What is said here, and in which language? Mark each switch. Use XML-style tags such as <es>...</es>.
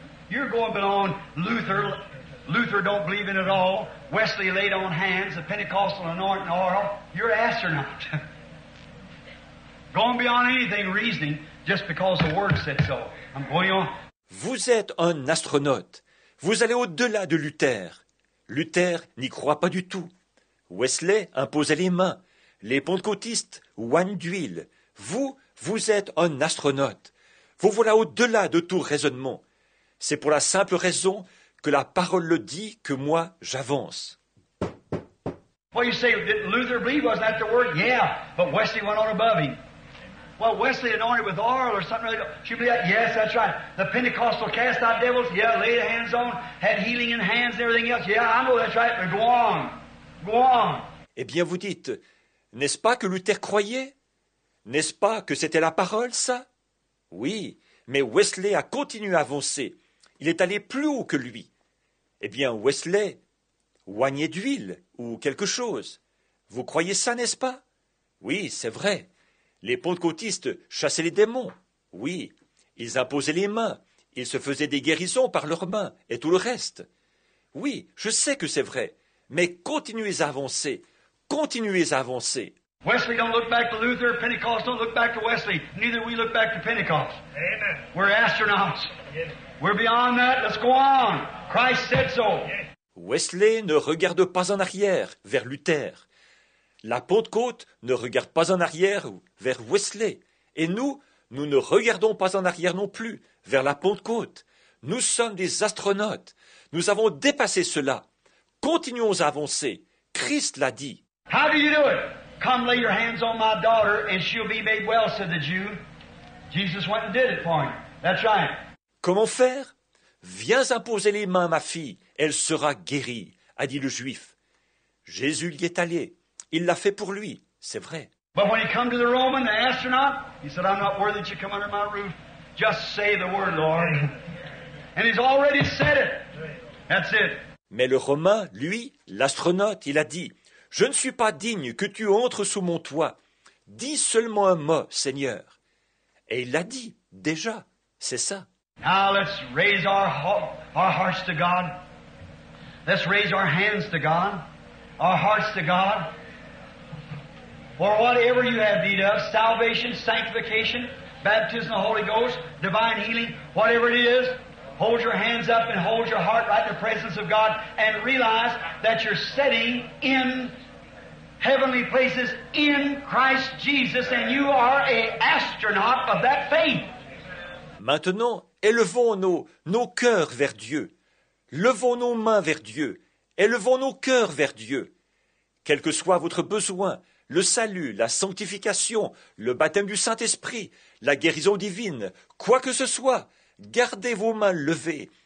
<en>You're going beyond Luther. Luther don't believe in it all. Wesley laid on hands, the Pentecostal anointing oil. You're an astronaut. Going beyond anything reasoning just because the Word said so. I'm going on.</en> <fr>Vous êtes un astronaute. Vous allez au-delà de Luther. Luther n'y croit pas du tout. Wesley imposait les mains. Les pentecôtistes, one duil. Vous êtes un astronaute. Vous voilà au-delà de tout raisonnement. C'est pour la simple raison que la parole le dit que moi, j'avance.</fr> <en>Well, you say, didn't Luther believe? Wasn't that the word? Yeah, but Wesley went on above him. Well, Wesley anointed with oil or something. She believed that? Yes, that's right. The Pentecostal cast out devils? Yeah, laid hands on, had healing in hands and everything else. Yeah, I know that's right, but go on. Go on.</en> <fr>Eh bien, vous dites, n'est-ce pas que Luther croyait? N'est-ce pas que c'était la parole, ça? Oui, mais Wesley a continué à avancer. Il est allé plus haut que lui. Eh bien, Wesley, oignez d'huile ou quelque chose. Vous croyez ça, n'est-ce pas? Oui, c'est vrai. Les pentecôtistes chassaient les démons. Oui, ils imposaient les mains. Ils se faisaient des guérisons par leurs mains et tout le reste. Oui, je sais que c'est vrai. Mais continuez à avancer. Continuez à avancer.</fr> <en>Wesley don't look back to Luther, Pentecost don't look back to Wesley. Neither we look back to Pentecost. Amen. We're astronauts. Yes. We're beyond that. Let's go on. Christ said so.</en> <fr>Wesley ne regarde pas en arrière vers Luther. La Pentecôte ne regarde pas en arrière vers Wesley. Et nous ne regardons pas en arrière non plus vers la Pentecôte. Nous sommes des astronautes. Nous avons dépassé cela. Continuons à avancer. Christ l'a dit.</fr> <en>How do you do it? Come lay your hands on my daughter and she'll be made well, said the Jew. Jesus went and did it for him. That's right.</en> <fr>Comment faire? Viens imposer les mains à ma fille, elle sera guérie, a dit le Juif. Jésus y est allé, il l'a fait pour lui, c'est vrai.</fr> <en>But when he come to the Roman, the astronaut, he said, I'm not worthy that you come under my roof. Just say the word, Lord. And he's already said it. That's it.</en> <fr>Mais le Romain, lui, l'astronaute, il a dit, je ne suis pas digne que tu entres sous mon toit. Dis seulement un mot, Seigneur. Et il l'a dit, déjà, c'est ça.</fr> <en>Now let's raise our hearts to God. Let's raise our hands to God. Our hearts to God. For whatever you have need of, salvation, sanctification, baptism of the Holy Ghost, divine healing, whatever it is, hold your hands up and hold your heart right in the presence of God and realize that you're sitting in heavenly places in Christ Jesus and you are an astronaut of that faith.</en> <fr>Maintenant, élevons nos cœurs vers Dieu. Levons nos mains vers Dieu. Élevons nos cœurs vers Dieu. Quel que soit votre besoin, le salut, la sanctification, le baptême du Saint-Esprit, la guérison divine, quoi que ce soit, gardez vos mains levées</fr>